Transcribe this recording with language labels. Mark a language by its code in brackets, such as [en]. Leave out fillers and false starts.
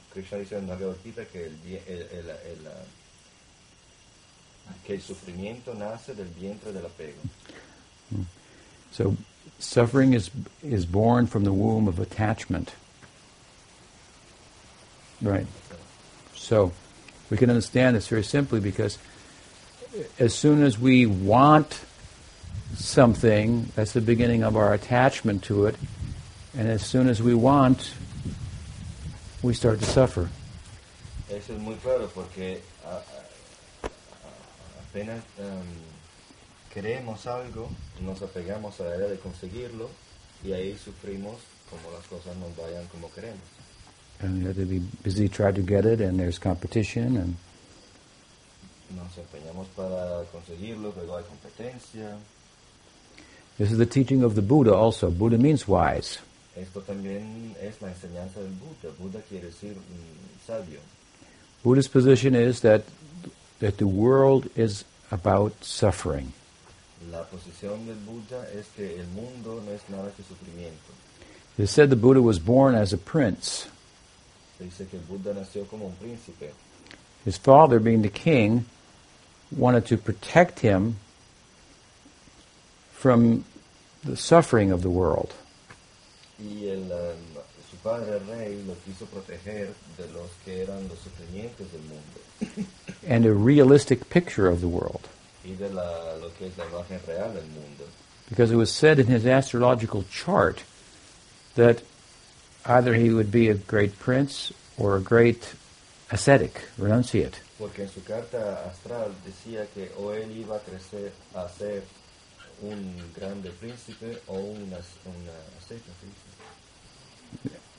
[es] Krishna dice en la Bhagavad Gita que el sufrimiento nace del vientre del apego. [en] So, suffering is born from the womb of attachment. Right. So, we can understand this very simply because as soon as we want something, that's the beginning of our attachment to it, and as soon as we want, we start to suffer. [es] Eso es muy claro porque apenas queremos algo, nos apegamos a la idea de conseguirlo, y ahí sufrimos como las cosas no vayan como queremos. [en] And we have to be busy trying to get it, and there's competition, and [es] nos empeñamos para conseguirlo, pero hay competencia. [en] This is the teaching of the Buddha also. Buddha means wise. [es] Esto también es la enseñanza del Buddha. Buddha quiere decir sabio. [en] Buddha's position is that the world is about suffering. [es] La posición del Buddha es que el mundo no es nada que sufrimiento. [en] It is said the Buddha was born as a prince. [es] Se dice que el Buddha nació como un príncipe. [en] His father, being the king, wanted to protect him from the suffering of the world. [es] Y el su padre el rey lo quiso proteger de los que eran los sufrimientos del mundo. [en] And a realistic picture of the world. [es] Y de la lo que es la imagen real del mundo. [en] Because it was said in his astrological chart that either he would be a great prince or a great ascetic, renunciate. [es] Porque en su carta astral decía que o él iba a crecer a ser un grande príncipe o una aceita príncipe.